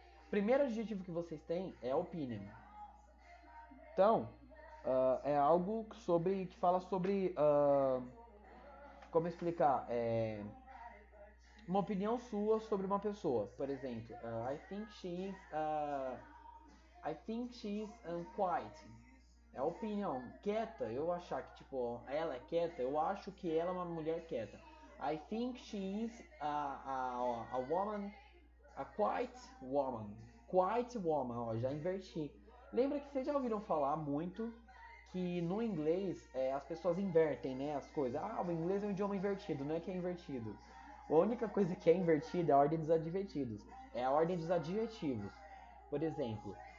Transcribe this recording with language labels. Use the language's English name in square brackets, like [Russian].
[Portuguese] Primeiro adjetivo que vocês têm é opinion. Então, é algo sobre, que fala sobre, como explicar, uma opinião sua sobre uma pessoa. Por exemplo, [English] I think she's quiet. [Portuguese] É a opinião. Quieta, eu achar que, tipo, ela é quieta, eu acho que ela é uma mulher quieta. [English] I think she's a woman, a quiet woman. [Portuguese] Quiet woman, ó, já inverti. Lembra que vocês já ouviram falar muito que no inglês as pessoas invertem, né, as coisas. Ah, o inglês é um idioma invertido, não é que é invertido. A única coisa que é invertida é a ordem dos adjetivos. É a ordem dos adjetivos. Por exemplo,